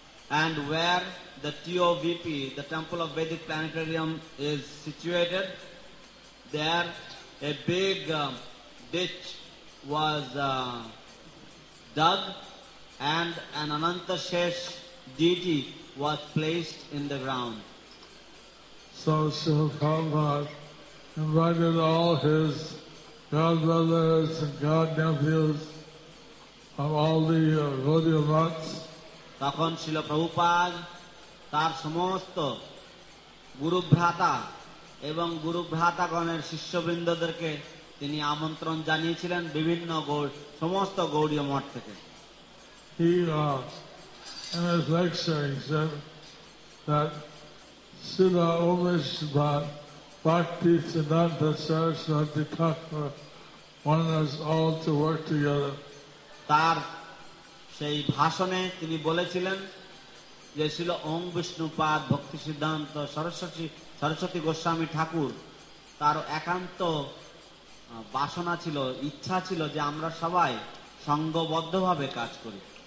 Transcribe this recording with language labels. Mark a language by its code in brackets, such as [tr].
[en] And where the TOVP, the Temple of Vedic Planetarium, is situated, there a big ditch was dug and an Anantashesh deity was placed in the ground. So Srila Prabhupada invited all his godbrothers and godnephews of all the Gaudiya Mathas. [bn] তখন শ্রীল প্রভুপাদ তার সমস্ত গুরুভ্রাতা এবং গুরুভ্রাতাগণের শিষ্যবৃন্দদেরকে তিনি আমন্ত্রণ জানিয়েছিলেন বিভিন্ন সমস্ত গৌড়ীয় মঠ থেকে। [en] In his lecture, he said that Srila Omishbhad Bhakti Siddhanta Saraswati Thakur wanted us all to work together. [bn] তার সেই ভাষণে তিনি বলেছিলেন যে শ্রীল ওম বিষ্ণুপাদ ভক্তি সিদ্ধান্ত সরস্বতী গোস্বামী ঠাকুর তার একান্ত বাসনা ছিল, ইচ্ছা ছিল যে আমরা সবাই সঙ্গবদ্ধভাবে কাজ করি।